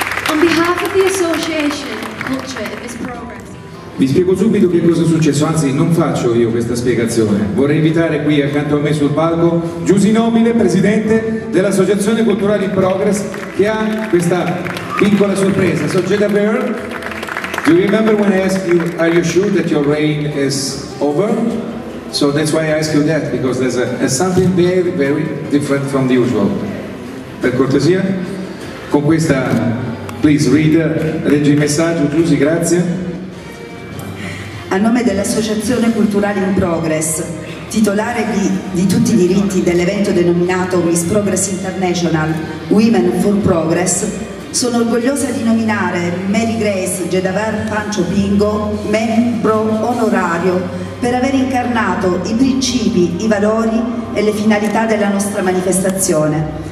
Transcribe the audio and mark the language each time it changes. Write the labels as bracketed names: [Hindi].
[English] On behalf of the Association Culture of Miss Progress. [Italian] Vi spiego subito che cosa è successo, anzi non faccio io questa spiegazione. Vorrei invitare qui accanto a me sul palco Giusy Nobile, presidente dell'Associazione Culturale in Progress, che ha questa piccola sorpresa. [English] So Jada Byrne, do you remember when I asked you, are you sure that your reign is over? So that's why I ask you that, because there's a something very, very different from the usual. [Italian] Per cortesia, con questa, [English] please read, [Italian] leggi il messaggio, Giusy, grazie. A nome dell'Associazione Culturale in Progress, titolare di tutti i diritti dell'evento denominato Miss Progress International Women for Progress, sono orgogliosa di nominare Mary Grace Jedaver Pancho Pingo membro onorario per aver incarnato i principi, i valori e le finalità della nostra manifestazione.